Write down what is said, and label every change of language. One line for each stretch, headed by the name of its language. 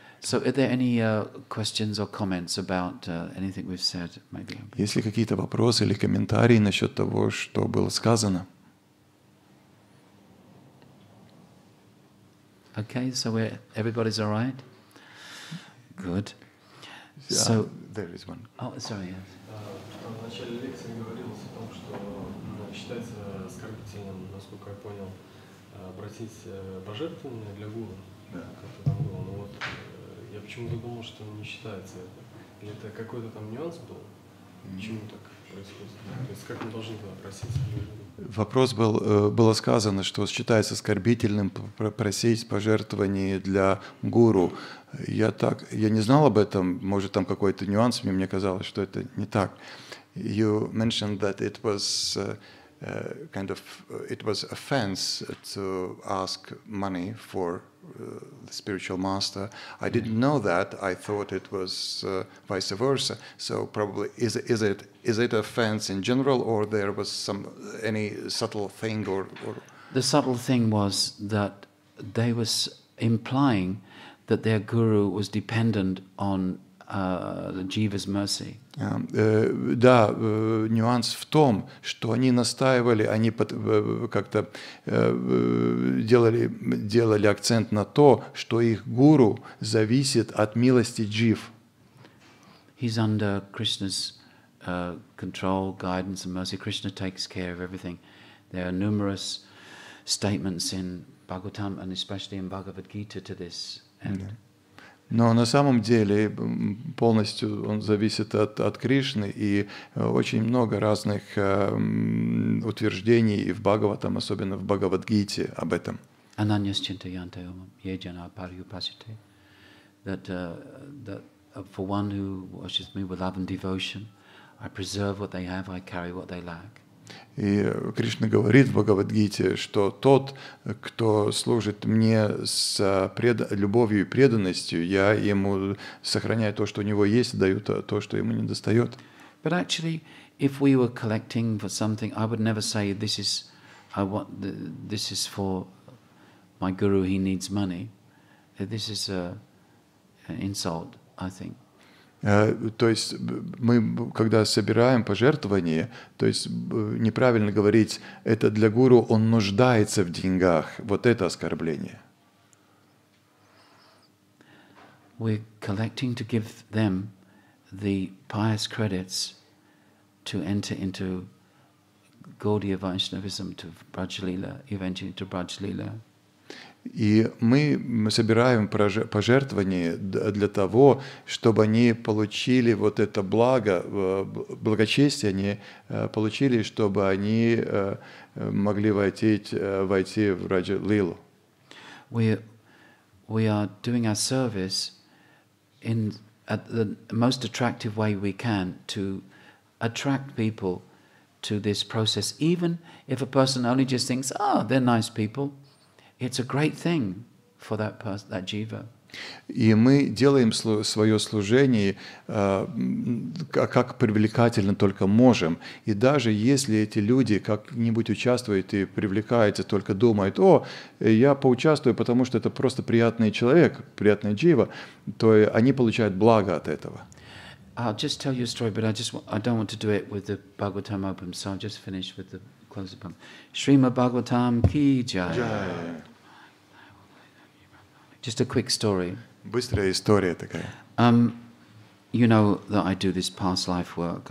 English: So, are there any questions or comments about anything we've said? Maybe.
Russian: Есть ли какие-то вопросы или комментарии насчет того, что было сказано?
English: Okay, so everybody's all right? Good. So there is one. Oh, sorry. Yes.
Russian: В начале лекции говорилось о том, что считается оскорбительным, насколько я понял, обратить божественное для гуру. Да. Как это там было. Но вот я почему-то думал, что не считается это. Или это какой-то там нюанс был? Почему так происходит? То есть как мы должны были обратиться к гуру? Вопрос был, было сказано, что считается оскорбительным просить пожертвований для гуру. Я не знал об этом, может, там какой-то нюанс, мне казалось, что это не так.
English: You mentioned that it was it was offense to ask money for the spiritual master. I didn't know that. I thought it was vice versa. So probably is it offense in general, or there was any subtle thing or the subtle thing was that they was implying that their guru was dependent on the jiva's mercy.
Russian: Да, нюанс в том, что они настаивали, они как-то делали акцент на то, что их гуру зависит от милости джив.
English: He's under Krishna's control, guidance and mercy. Krishna takes care of everything. There are numerous statements in Bhāgavatam and especially in Bhagavad Gita to this end. Yeah.
Russian: Но на самом деле полностью он зависит от Кришны, и очень много разных утверждений в Бхагаватам, особенно в Бхагавадгите, об этом.
Sanskrit: Ананьясчинтаянте омам йеджана парьюпасите.
English: That for one who worships me with love and devotion, I preserve what they have, I carry what they lack.
Russian: И Кришна говорит в Бхагавадгите, что тот, кто служит мне с любовью и преданностью, я ему сохраняю то, что у него есть, даю то, что ему не достает.
English: But actually, if we were collecting for something, I would never say this is for my guru, he needs money. This is an insult, I think.
Russian: То есть мы, когда собираем пожертвования, то есть неправильно говорить, это для гуру, он нуждается в деньгах. Вот это оскорбление.
English: We're collecting to give them the pious credits to enter into Gaudiya Vaishnavism, to Brajlila, eventually to Brajlila.
Russian: И мы собираем пожертвования для того, чтобы они получили вот это благо, благочестие они получили, чтобы они могли войти в Раджа-лилу.
English: We are doing our service at the most attractive way we can to attract people to this process, even if a person only just thinks, oh, they're nice people. It's a great thing for that person, that jiva.
Russian: И мы делаем свое служение как привлекательно только можем. И даже если эти люди как-нибудь участвуют и привлекаются, только думают, о, я поучаствую, потому что это просто приятный человек, приятная джива, то они получают благо от этого.
English: I'll just tell you a story, but I don't want to do it with the Bhagavatam open, so I'll just finish with the close poem.
Sanskrit: Śrīmad Bhāgavatam ki jai.
English: Just a quick story.
Russian: Быстрая история такая.
English: You know that I do this past life work.